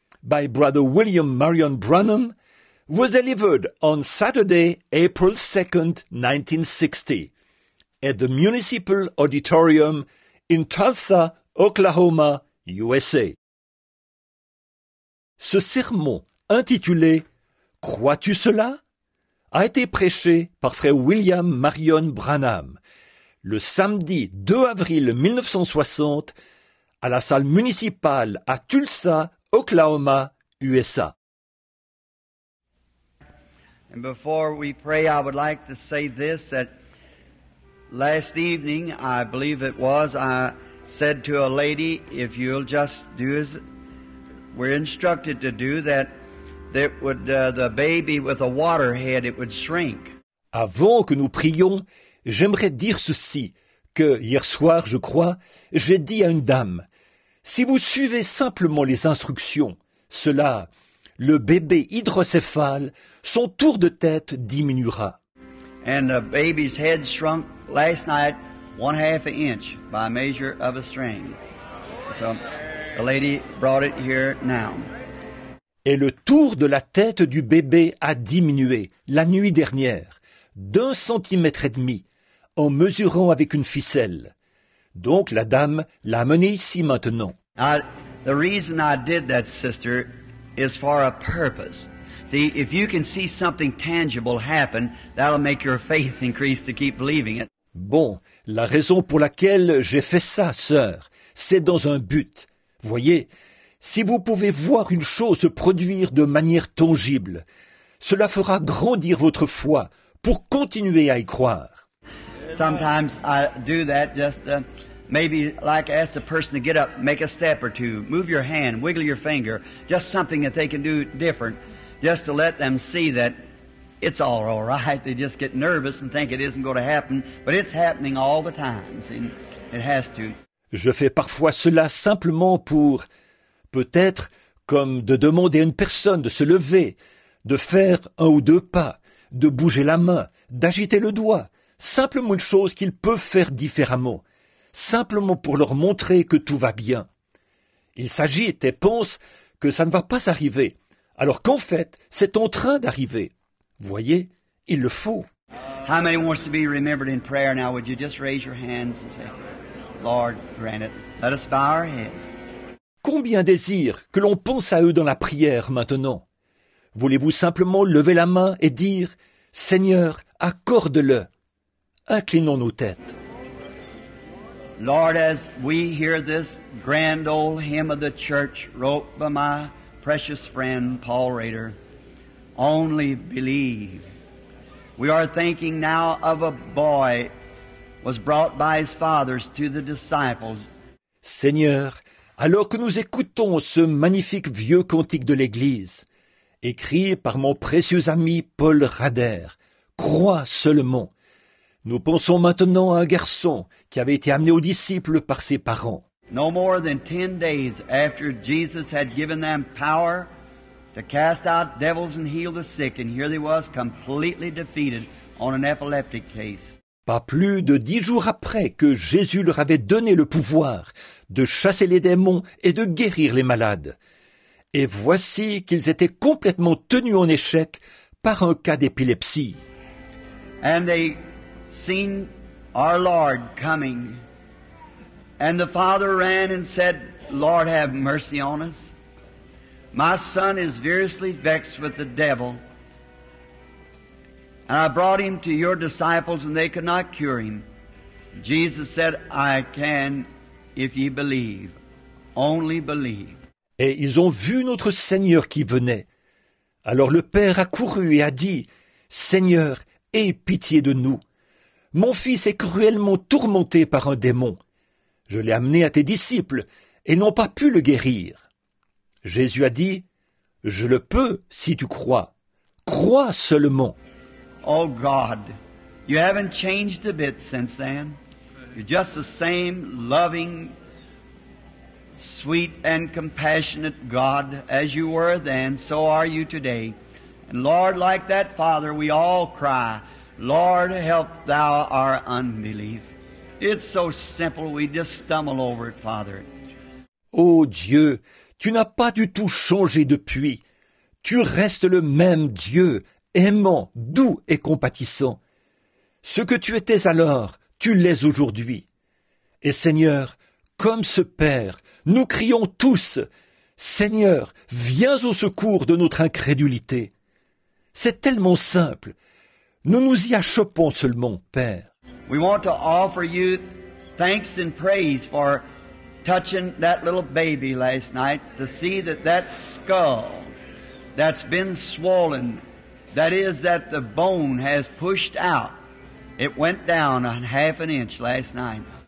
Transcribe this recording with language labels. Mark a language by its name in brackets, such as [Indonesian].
[English] By Brother William Marion Branham, was delivered on Saturday, April 2nd, 1960, at the Municipal Auditorium in Tulsa, Oklahoma, USA. [French] Ce sermon intitulé « Crois-tu cela ?» a été prêché par Frère William Marion Branham le samedi 2 avril 1960 à la salle municipale à Tulsa, Oklahoma, USA. [English] And before we pray, I would like to say this, that last evening, I believe it was, I said to a lady, if you'll just do as we're instructed to do, that it would, the baby with a water head, it would shrink. [French] Avant que nous prions, j'aimerais dire ceci, que hier soir, je crois, j'ai dit à une dame, si vous suivez simplement les instructions, cela, le bébé hydrocéphale, son tour de tête diminuera. [English] And the baby's head shrunk last night 1/2 inch by measure of a string. So the lady brought it here now. [French] Et le tour de la tête du bébé a diminué la nuit dernière d'un centimètre et demi en mesurant avec une ficelle. Donc la dame l'a amené ici maintenant. [English] The reason I did that, sister, is for a purpose. See, if you can see something tangible happen, that'll make your faith increase to keep believing it. [French] Bon, la raison pour laquelle j'ai fait ça, sœur, c'est dans un but. Voyez, si vous pouvez voir une chose se produire de manière tangible, cela fera grandir votre foi pour continuer à y croire. [English] Sometimes I do that just maybe like ask a person to get up, make a step or two, move your hand, wiggle your finger, just something that they can do different, just to let them see that it's all right. They just get nervous and think it isn't going to happen, but it's happening all the time. See, it has to. [French] Je fais parfois cela simplement pour, peut-être, comme de demander à une personne de se lever, de faire un ou deux pas, de bouger la main, d'agiter le doigt, simplement une chose qu'ils peuvent faire différemment. Simplement pour leur montrer que tout va bien. Il s'agit et pense que ça ne va pas arriver, alors qu'en fait, c'est en train d'arriver. Voyez, il le faut. [English] How many wants to be remembered in prayer now? Would you just raise your hands and say, Lord, grant it. Let us bow our heads. [French] Combien désirent que l'on pense à eux dans la prière maintenant? Voulez-vous simplement lever la main et dire, Seigneur, accorde-le. Inclinons nos têtes. [English] Lord, as we hear this grand old hymn of the church wrote by my precious friend Paul Rader, only believe. We are thinking now of a boy was brought by his fathers to the disciples. [French] Seigneur, alors que nous écoutons ce magnifique vieux cantique de l'Église, écrit par mon précieux ami Paul Rader, crois seulement. Nous pensons maintenant à un garçon qui avait été amené aux disciples par ses parents. [English] No more than 10 days after Jesus had given them power to cast out devils and heal the sick, and here they was completely defeated on an epileptic case. [French] Pas plus de 10 jours après que Jésus leur avait donné le pouvoir de chasser les démons et de guérir les malades. Et voici qu'ils étaient complètement tenus en échec par un cas d'épilepsie. [English] And they seen our Lord coming, and the father ran and said, Lord, have mercy on us. My son is variously vexed with the devil, and I brought him to your disciples, and they could not cure him. Jesus said, I can if ye believe, only believe. [French] Et ils ont vu notre Seigneur qui venait. Alors le père a couru et a dit, Seigneur, aie pitié de nous. Mon fils est cruellement tourmenté par un démon. Je l'ai amené à tes disciples et n'ont pas pu le guérir. Jésus a dit, je le peux si tu crois. Crois seulement. [English] Oh God, you haven't changed a bit since then. You're just the same loving, sweet and compassionate God as you were then, so are you today. And Lord, like that father, we all cry, Lord, help thou our unbelief. It's so simple, we just stumble over it, Father. [French] Oh Dieu, tu n'as pas du tout changé depuis. Tu restes le même Dieu, aimant, doux et compatissant. Ce que tu étais alors, tu l'es aujourd'hui. Et Seigneur, comme ce Père, nous crions tous, « Seigneur, viens au secours de notre incrédulité. » C'est tellement simple. Nous nous y achoppons seulement, Père. [English] We want to offer you thanks and praise for touching that little baby last night to see that that skull that's been swollen, that is that the bone has pushed out, it went down a half an inch last night.